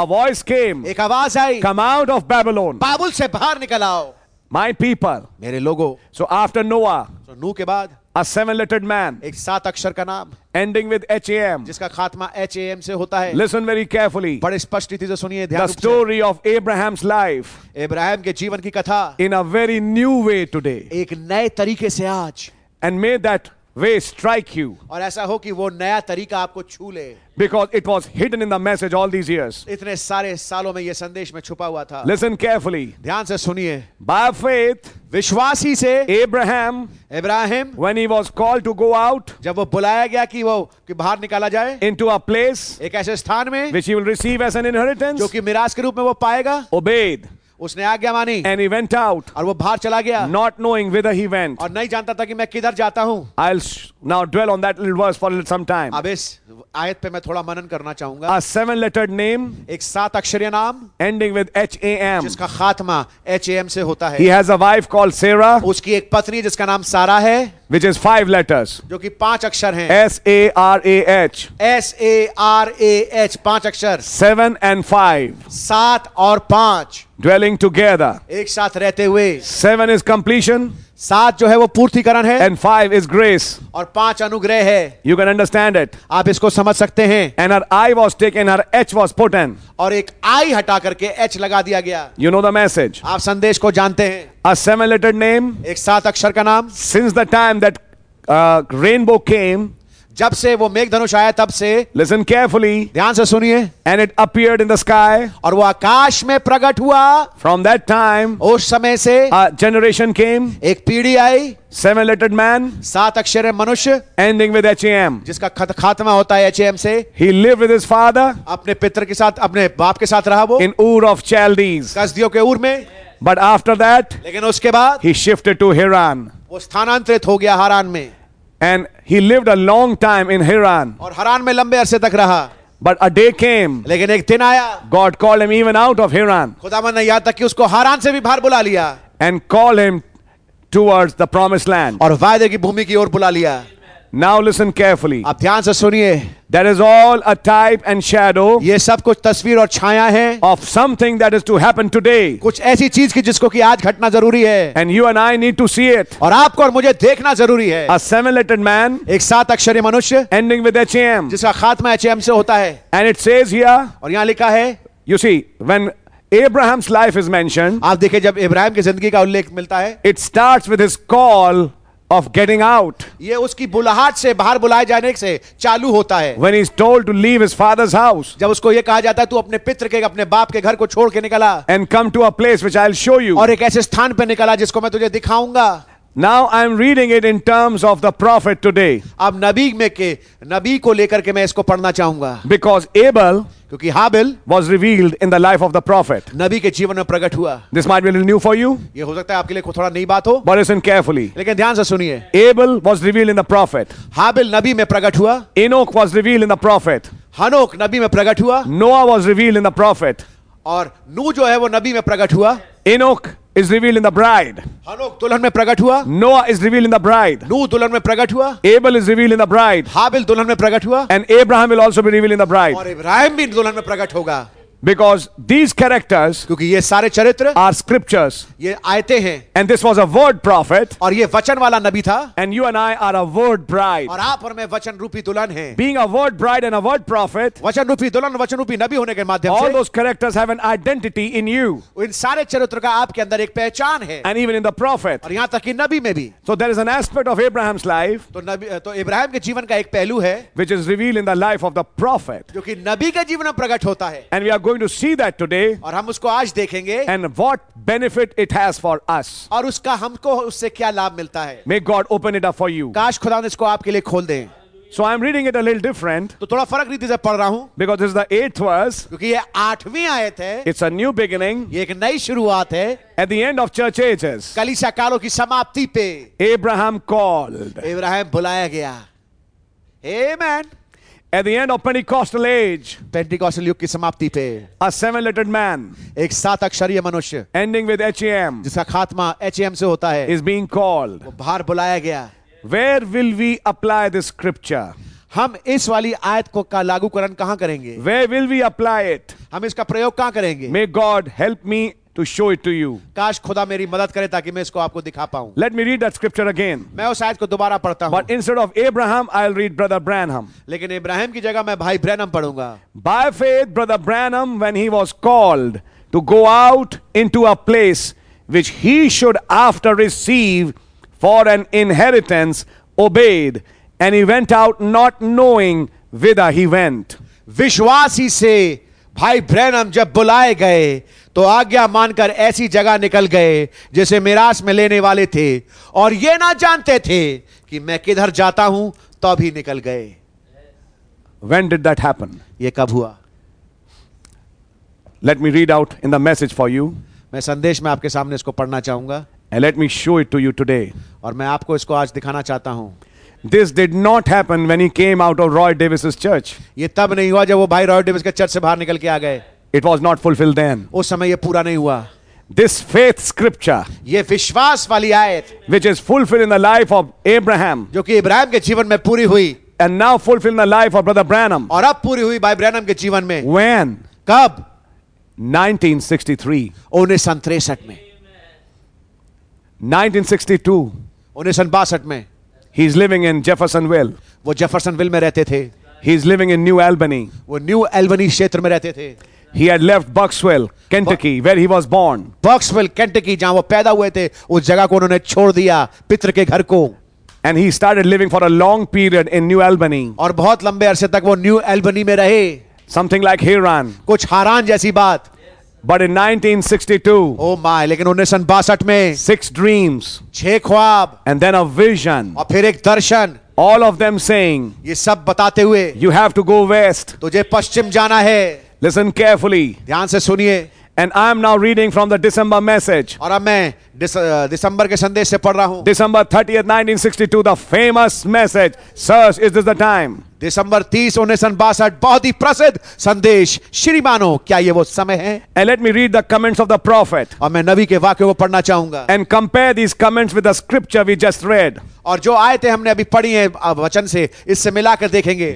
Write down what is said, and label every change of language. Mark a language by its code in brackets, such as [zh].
[en] a voice came. [hi] एक आवाज आई. [en] Come out of Babylon. [hi] बाबुल से बाहर निकल आओ. [en] My people. [hi] मेरे लोगों. [en] So after Noah. [hi] तो नूह के बाद. [en] A seven-lettered man. [hi] एक सात अक्षर का नाम. [en] Ending with H-A-M. [hi] जिसका खात्मा H-A-M से होता है. [en] Listen very carefully. [hi] बड़े स्पष्ट रीति से सुनिए. [en] The story of Abraham's life. [hi] Abraham के जीवन की कथा. [en] In a very new way today. [hi] एक नए तरीके से आज. [en] And may that way strike you. [hi] और ऐसा हो कि वो नया तरीका आपको छू ले. [en] Because it was hidden in the message all these years. [hi] इतने सारे सालों में ये संदेश में छुपा हुआ था. [en] Listen carefully. [hi] ध्यान से सुनिए. [en] By faith, [hi] विश्वासी से, [en] Abraham, when he was called to go out, [hi] जब वो बुलाया गया कि वो कि बाहर निकाला जाए, [en] into a place, [hi] एक ऐसे स्थान में, [en] which he will receive as an inheritance, [hi] जो कि मिराश के रूप में वो पाएगा, [en] obeyed. [hi] उसने आज्ञा मानी. [en] And he went out. [hi] और वो बाहर चला गया. [en] Not knowing whither he went. [hi] और नहीं जानता था कि मैं किधर जाता हूँ. [en] I'll now dwell on that little verse for a little some time. [hi] अब इस आयत पे मैं थोड़ा मनन करना चाहूँगा. [en] A seven-lettered name. [hi] एक सात अक्षरीय नाम. [en] Ending with H-A-M. [hi] जिसका खात्मा H-A-M से होता है. [en] He has a wife called Sarah. [hi] उसकी एक पत्नी जिसका नाम सारा है. [en] Which is five letters. [hi] जो कि पांच अक्षर हैं. [en] S-A-R-A-H. [hi] S-A-R-A-H. पांच अक्षर. [en] Seven and five. [hi] सात और पांच. [en] Dwelling together. [hi] एक साथ रहते हुए. [en] Seven is completion. [hi] सात जो है वो पूर्तिकरण है. [en] And five is grace. [hi] और पांच अनुग्रह है. [en] You can understand it. [hi] आप इसको समझ सकते हैं. [en] And her eye was taken, her H was put in. [hi] और एक आई हटा करके एच लगा दिया गया. [en] You know the message. [hi] आप संदेश को जानते हैं. [en] A seven-lettered name. [hi] एक सात अक्षर का नाम. [en] Since the time that rainbow came. [hi] जब से वो मेघधनुष आया तब से. [en] Listen carefully. [hi] ध्यान से सुनिए. [en] And it appeared in the sky. [hi] और वो आकाश में प्रकट हुआ. [en] From that time. [hi] उस समय से. [en] A generation came. [hi] एक पीढ़ी आई. [en] Seven-lettered man. [hi] सात अक्षर मनुष्य. [en] Ending with H-A-M. [hi] जिसका खात्मा होता है H-A-M से. [en] He lived with his father. [hi] अपने पितर के साथ अपने बाप के साथ रहा वो. [en] In Ur of Chaldees. [hi] कसदियों के ऊर में. [en] But after that. [hi] लेकिन उसके बाद. [en] He shifted to Haran. [hi] वो स्थानांतरित हो गया हारान में. [en] And he lived a long time in Haran. [hi] और हारान में लंबे अरसे तक रहा. [en] But a day came. [hi] लेकिन एक दिन आया. [en] God called him even out of Haran. [hi] खुदावन ने याद तक कि उसको हारान से भी बाहर बुला लिया. [en] And called him towards the promised land. [hi] और वायदे की भूमि की ओर बुला लिया. [en] Now listen carefully. [hi] आप ध्यान से सुनिए. [en] That is all a type and shadow. [hi] ये सब कुछ तस्वीर और छाया है. [en] Of something that is to happen today. [hi] कुछ ऐसी चीज की जिसको कि आज घटना जरूरी है. [en] And you and I need to see it. [hi] और आपको और मुझे देखना जरूरी है. [en] A seven-lettered man. [hi] एक सात अक्षरीय मनुष्य. [en] Ending with H-A-M. [hi] जिसका खात्मा H-A-M से होता है. [en] And it says here. [hi] और यहाँ लिखा है. [en] You see when Abraham's life is mentioned. [hi] आप देखिए जब इब्राहिम की जिंदगी का उल्लेख मिलता है. [en] It starts with his call. Of getting out. [hi] ये उसकी बुलाहट से बाहर बुलाए जाने से चालू होता है. [en] When he is told to leave his father's house. [hi] जब उसको ये कहा जाता है तू अपने पितर के अपने बाप के घर को छोड़ के निकला. [en] And come to a place which I'll show you. [hi] और एक ऐसे स्थान पे निकला जिसको मैं तुझे दिखाऊंगा. [en] Now I'm reading it in terms of the prophet today. [hi] अब नबी में के नबी को लेकर के मैं इसको पढ़ना चाहूंगा. [en] Because Abel. [hi] क्योंकि हाबिल. [en] Was revealed in the life of the prophet. [hi] नबी के जीवन में प्रकट हुआ. [en] This might be a little new for you. [hi] ये हो सकता है आपके लिए थोड़ा नई बात हो. [en] But listen carefully. [hi] लेकिन ध्यान से सुनिए. [en] Abel was revealed in the prophet. [hi] हाबिल नबी में प्रकट हुआ. [en] Enoch was revealed in the prophet. [hi] हनोक नबी में प्रकट हुआ. [en] Noah was revealed in the prophet. [hi] और नूह जो है वो नबी में प्रकट हुआ. [en] Enoch is revealed in the bride. [hi] हनोक दुल्हन में प्रकट हुआ. [en] Noah is revealed in the bride. [hi] नूह दुल्हन में प्रकट हुआ. [en] Abel is revealed in the bride. [hi] हाबिल दुल्हन में प्रकट हुआ. [en] And Abraham will also be revealed in the bride. [hi] और इब्राहिम भी दुल्हन में प्रकट होगा. [en] Because these characters, [hi] क्योंकि ये सारे चरित्र, [en] are scriptures, [hi] ये आयते हैं, [en] and this was a word prophet, [hi] और ये वचन वाला नबी था, [en] and you and I are a word bride, [hi] और आप और मैं वचन रूपी दुल्हन हैं, [en] being a word bride and a word prophet, [hi] वचन रूपी दुल्हन वचन रूपी नबी होने के माध्यम से, [en] all those characters have an identity in you, [hi] इन सारे चरित्र का आपके अंदर एक पहचान है, [en] and even in the prophet, [hi] और यहाँ तक कि नबी में भी, [en] so there is an aspect of Abraham's life, [hi] तो इब्राहिम के जीवन का एक पहलू है, [en] which is revealed in the life of the prophet, [hi] जो कि नबी के जीवन में प्रकट होता है, [en] and we are going to see that today. [hi] और हम उसको आज देखेंगे. [en] And what benefit it has for us. [hi] और उसका हमको उससे क्या लाभ मिलता है. [en] May God open it up for you. [hi] काश खुदा ने इसको आपके लिए खोल दे. [en] So I'm reading it a little different. [hi] तो थोड़ा फर्क रीति से पढ़ रहा हूँ. [en] Because this is the eighth verse. [hi] क्योंकि ये आठवीं आयत है. [en] It's a new beginning. [hi] ये एक नई शुरुआत है. [en] At the end of church ages. [hi] कलीसिया कालों की समाप्ति पे. [en] Abraham called. [hi] इब्राहिम बुलाया गया. Amen. [en] At the end of Pentecostal age, [hi] Pentecostal युग की समाप्ति पे, [en] a seven-lettered man, [hi] एक सात अक्षरीय मनुष्य, [en] ending with H-A-M, [hi] जिसका खात्मा H-A-M से होता है, [en] is being called, [hi] बाहर बुलाया गया. [en] Where will we apply this scripture? [hi] हम इस वाली आयत को का लागूकरण कहां करेंगे? [en] Where will we apply it? [hi] हम इसका प्रयोग कहां करेंगे? [en] May God help me to show it to you. [hi] काश खुदा मेरी मदद करे ताकि मैं इसको आपको दिखा पाऊं. [en] Let me read that scripture again. [hi] मैं उस आयत को दोबारा पढ़ता हूं. [en] But instead of Abraham, I'll read Brother Branham. [hi] लेकिन इब्राहिम की जगह मैं भाई ब्रैनम पढ़ूंगा. [en] By faith, Brother Branham, when he was called to go out into a place which he should after receive for an inheritance, obeyed. And he went out not knowing whither he went. [hi] विश्वासी से भाई Branham जब बुलाए गए तो आज्ञा मानकर ऐसी जगह निकल गए जिसे मिरास में लेने वाले थे और ये ना जानते थे कि मैं किधर जाता हूं तो भी निकल गए. [en] When did that happen? [hi] ये कब हुआ? [en] Let me read out in the message for you. [hi] मैं संदेश में आपके सामने इसको पढ़ना चाहूंगा. [en] And let me show it to you today. [hi] और मैं आपको इसको आज दिखाना चाहता हूं. [en] This did not happen when he came out of Roy Davis's church. [hi] ये तब नहीं हुआ जब वो भाई रॉय डेविस के चर्च से बाहर निकल के आ गए. [en] It was not fulfilled then. [hi] उस समय ये पूरा नहीं हुआ. [en] This faith scripture, [hi] ये विश्वास वाली आयत, [en] which is fulfilled in the life of Abraham, [hi] जो कि इब्राहिम के जीवन में पूरी हुई, [en] and now fulfilled in the life of Brother Branham, [hi] और अब पूरी हुई भाई ब्रैनम के जीवन में. [en] When? [hi] कब? [en] 1963. 1962. [hi] 1962 में. [en] He's living in Jeffersonville. [hi] वो Jeffersonville में रहते थे. [en] He's living in New Albany. [hi] वो New Albany क्षेत्र में रहते थे. [en] He had left Bucksville, Kentucky, where he was born. [hi] Bucksville, Kentucky, जहाँ वो पैदा हुए थे, उस जगह को उन्होंने छोड़ दिया, पितर के घर को. [en] And he started living for a long period in New Albany. [hi] और बहुत लंबे अरसे तक वो New Albany में रहे. [en] Something like Haran. [hi] कुछ हारान जैसी बात. [en] But in 1962, oh my, [hi] लेकिन 1962 में, [en] six dreams, [hi] छह ख्वाब, [en] and then a vision, [hi] और फिर एक दर्शन, [en] all of them saying, [hi] ये सब बताते हुए, [en] you have to go west, [hi] तुझे पश्चिम जाना है, [en] listen carefully, [hi] ध्यान से सुनिए, [en] and I am now reading from the December message, [hi] और अब मैं दिसंबर के संदेश से पढ़ रहा हूँ, [en] December 30th, 1962, the famous message, sirs, is this the time? [hi] December 30, 1962, बहुत ही प्रसिद्ध संदेश, श्रीमानो, क्या ये वो समय है? [en] And let me read the comments of the prophet. [hi] और मैं नबी के वाक्य को पढ़ना चाहूंगा. [en] And compare these comments with the scripture we just read. [hi] और जो आयतें हमने अभी पढ़ी हैं वचन से, इससे मिलाकर देखेंगे.